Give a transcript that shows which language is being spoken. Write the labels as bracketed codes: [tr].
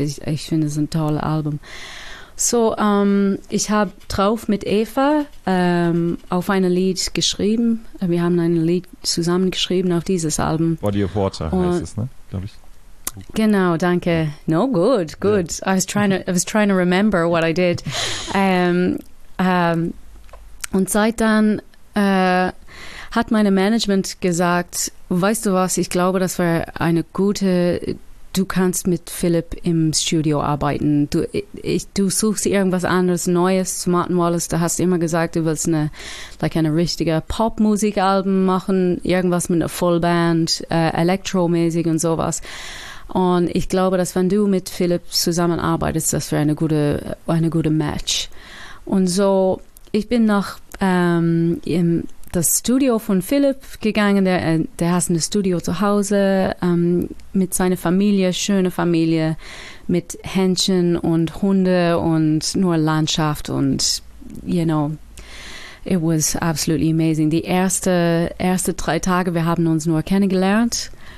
[de] Ich finde es ein tolles Album. So, ich habe drauf mit Eva auf ein Lied geschrieben. Wir haben ein Lied zusammen geschrieben auf dieses Album. Body of Water heißt es, ne? Glaube ich. Genau, danke. [en] No, good. Yeah. I was trying to remember what I did. [de] Und seit dann hat meine Management gesagt, weißt du was, ich glaube, das wäre eine gute, du kannst mit Philipp im Studio arbeiten. Du suchst irgendwas anderes, Neues zu Martin Wallace. Du hast immer gesagt, du willst eine richtige Pop-Musik-Album machen, irgendwas mit einer Full-Band, elektromäßig und sowas. Und ich glaube, dass wenn du mit Philipp zusammenarbeitest, das wäre eine gute Match. Und so, ich bin nach in das Studio von Philipp gegangen. Der hat ein Studio zu Hause mit seiner Familie, schöne Familie, mit Händchen und Hunde und nur Landschaft. [en] Und, you know, it was absolutely amazing. [de] Die erste 3 Tage, wir haben uns nur kennengelernt.